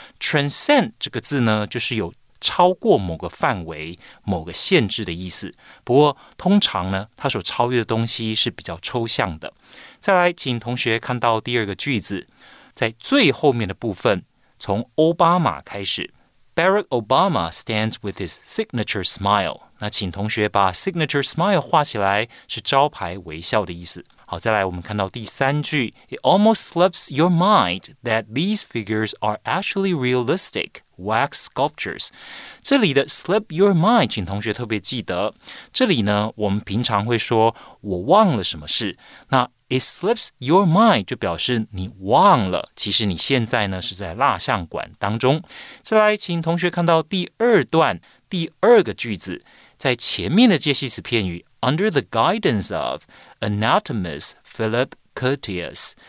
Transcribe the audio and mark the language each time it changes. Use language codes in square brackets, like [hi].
[zh] transcend 这个字呢，就是有超过某个范围、某个限制的意思。不过，通常呢，它所超越的东西是比较抽象的。再来，请同学看到第二个句子，在最后面的部分，从奥巴马开始。 [en] Barack Obama stands with his signature smile. [zh] 那请同学把 signature smile 画起来，是招牌微笑的意思。好，再来我们看到第三句。 [en] It almost slips your mind that these figures are actually realistic wax sculptures. [zh] 这里的 slip your mind, 请同学特别记得。这里呢，我们平常会说我忘了什么事。那 it slips your mind 就表示你忘了，其实你现在呢是在蜡像馆当中。再来请同学看到第二段第二个句子，在前面的介系词片语 [en] under the guidance of anatomist Philip Curtius.